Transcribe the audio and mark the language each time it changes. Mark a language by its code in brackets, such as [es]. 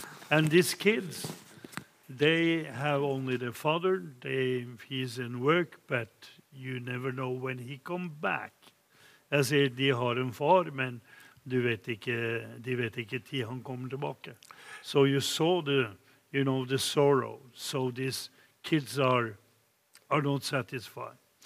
[en] And these kids, they have only their father. He's in work, but you never know when he comes back. [no] Jeg sier, de har en far, men... De vet ikke tid han kommer tilbake. [en] So you saw the sorrow. So these kids are not satisfied.